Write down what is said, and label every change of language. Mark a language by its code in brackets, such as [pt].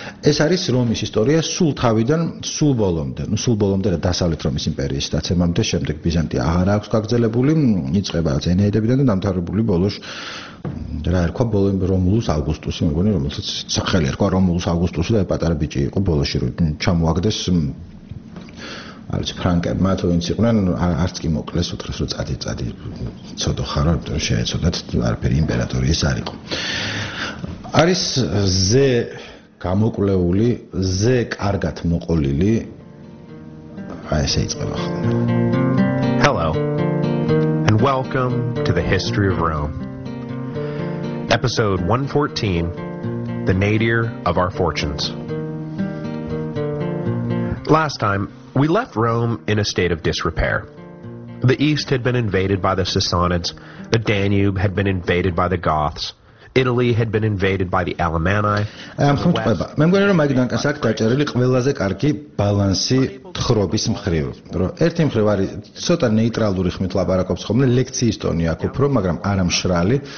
[ka] ეს არის რომის ისტორია სულ თავიდან სულ ბოლომდე. ნუ სულ ბოლომდე და დასავლეთ რომის იმპერიის დაცემამდე, შემდეგ ბიზანტია აღარა აქვს გაგრძელებული, იწყება რაც ენეიდებიდან და დამთავრებული ბოლოს რა ერქვა რომულუს ავგუსტუსი, მე მგონი რომელსაც სახელი ერქვა რომულუს ავგუსტუსი და პატარა ბიჭი იყო ბოლოში რომ ჩამოაგდეს არც ფრანკებმა თუ ვინც იყვნენ, არც კი მოკლეს უთხრეს რომ წადი ცოდო ხარო, იმიტომ რომ შეეცოდათ არაფერი იმპერატორი ეს არისო. არის ზე გამოკვლეული, ზე კარგად მოყოლილი, აი ესე იწყება ხოლმე. [en] Hello and welcome to the history of Rome. Episode 114, The Nadir of Our Fortunes. Last time we left Rome in a state of disrepair. The East had been invaded by the Sassanids, the Danube had been invaded by the Goths, Italy had been invaded by the Alemanni. [ka] მე მგონი რომ Mike Duncan-ს აქვს დაჭერილი ყველაზე კარგი ბალანსი თხრობის მხრივ, რომ ერთი მხრივ არის ცოტა ნეიტრალური ხმით ლაპარაკობს ხოლმე, ლექციის ტონი აქვს უფრო, მაგრამ არა მშრალი.